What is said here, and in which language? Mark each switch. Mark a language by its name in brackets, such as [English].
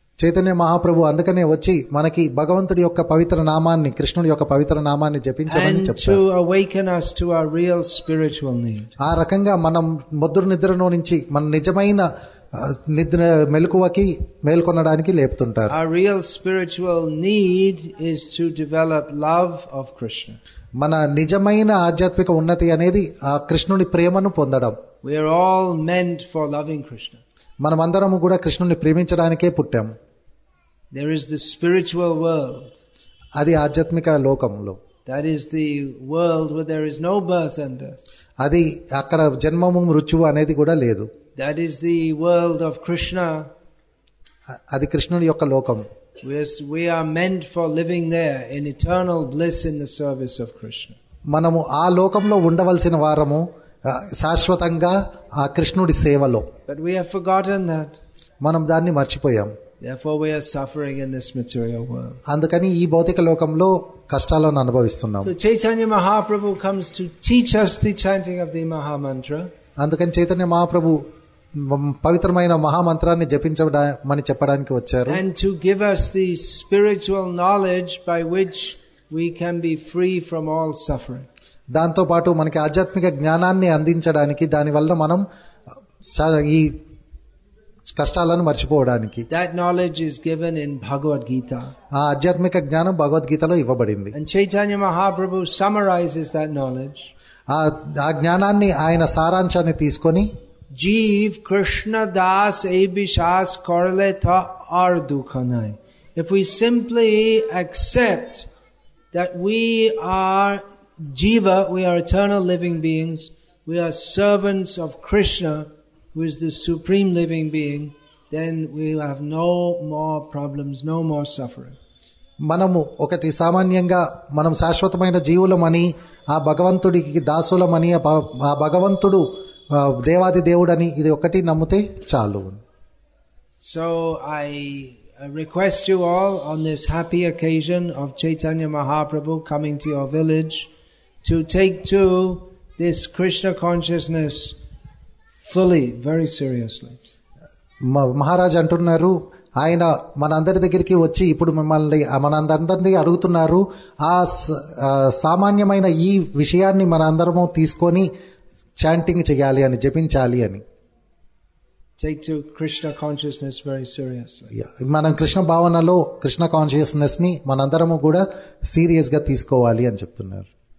[Telugu] చైతన్య మహాప్రభు అందుకనే వచ్చి మనకి భగవంతుడి యొక్క పవిత్ర నామాన్ని, కృష్ణుడి యొక్క పవిత్ర నామాన్ని జపించమని చెప్తారు. [English] To awaken us to our real spiritual need. [Telugu] ఆ రకంగా మనం మధుర నిద్రలో నుంచి మన నిజమైన నిద్ర మెలకువకి మేల్కొనడానికి లేపుతుంటారు. [English] Our real spiritual need is to develop love of Krishna. [Telugu] మన నిజమైన ఆధ్యాత్మిక ఉన్నతి అనేది ఆ కృష్ణుని ప్రేమను పొందడం. [English] We are all meant for loving Krishna. [Telugu] మనమందరము కూడా కృష్ణుని ప్రేమించడానికే పుట్టాము. [English] There is the spiritual world. [Telugu] అది ఆధ్యాత్మిక లోకములో. [English] That is the world where there is no birth and death. [Telugu] అది అక్కడ జన్మము మృత్యువు అనేది కూడా లేదు. [English] That is the world of Krishna. [Telugu] అది కృష్ణుని యొక్క లోకం. [English] We are meant for living there in eternal bliss in the service of Krishna. [Telugu] మనము ఆ లోకంలో ఉండవలసిన వారము శాశ్వతంగా ఆ కృష్ణుడి సేవలో. [English] But we have forgotten that. [Telugu] మనం దాన్ని మర్చిపోయాం. [English] Therefore we are suffering in this material world. [Telugu] అందుకని ఈ భౌతిక లోకంలో కష్టాలను అనుభవిస్తున్నాం. [English] So Chaitanya Mahaprabhu comes to teach us the chanting of the Maha Mantra. [Telugu] అందుకని చైతన్య మహాప్రభు పవిత్రమైన మహామంత్రాన్ని జపించమని చెప్పడానికి వచ్చారు. [English] And to give us the spiritual knowledge by which we can be free from all suffering. [Telugu] దాంతో పాటు మనకి ఆధ్యాత్మిక జ్ఞానాన్ని అందించడానికి, దాని వల్ల మనం ఈ కష్టాలను మర్చిపోవడానికి. [English] That knowledge is given in Bhagavad Gita. [Telugu] ఆ ఆధ్యాత్మిక జ్ఞానం భగవద్గీతలో ఇవ్వబడింది. [English] And Chaitanya Mahaprabhu summarizes that knowledge. [Telugu] ఆ జ్ఞానాన్ని, ఆయన సారాంశాన్ని తీసుకొని, [Bangla] జీవ్ కృష్ణ దాస్ ఏబిషాస్ కొరలే తో are దుఃఖనాయ్. [English] If we simply accept that we are jiva, we are eternal living beings, we are servants of Krishna, who is the supreme living being, then we have no more problems, no more suffering. [Telugu] మనము ఒకటి సామాన్యంగా మనం శాశ్వతమైన జీవులమని, ఆ భగవంతుడికి దాసులమని, ఆ భగవంతుడు దేవాది దేవుడని ఇది ఒకటి నమ్మితే చాలు. [English] So I request you all on this happy occasion of Chaitanya Mahaprabhu coming to your village to take to this Krishna consciousness fully very seriously. [Telugu] Maharaj అంటున్నారు, ఆయన మనందరి దగ్గరికి వచ్చి ఇప్పుడు మిమ్మల్ని మనందరినీ అడుగుతున్నారు, ఆ సామాన్యమైన ఈ విషయాన్ని మనందరము తీసుకొని చాంటింగ్ చేయాలి అని, జపించాలి అని. [English] Take to Krishna consciousness very seriously. [Telugu] మనం కృష్ణ భావనలో కృష్ణ కాన్షియస్నెస్ ని మనందరము కూడా సీరియస్ గా తీసుకోవాలి అని చెప్తున్నారు.